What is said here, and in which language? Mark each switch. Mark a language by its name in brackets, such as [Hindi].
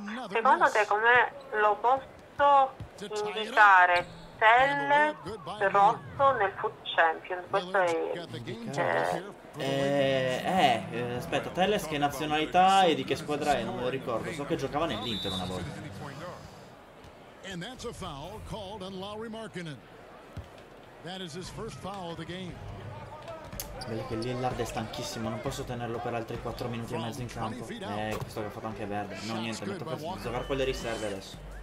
[Italian] Secondo te come lo posso indicare Tell Rosso nel Food Champion? Questo aspetta, Telles che nazionalità e di che squadra è? Non lo ricordo, so che giocava nell'Inter una volta. [English] And that's a foul called on Lauri Markkanen. That is his first foul of the game. [Italian] Bello che Lillard è stanchissimo, non posso tenerlo per altri 4 minuti e mezzo in campo. Questo che ha fatto anche verde. No, niente, mi tocca giocare con le riserve adesso.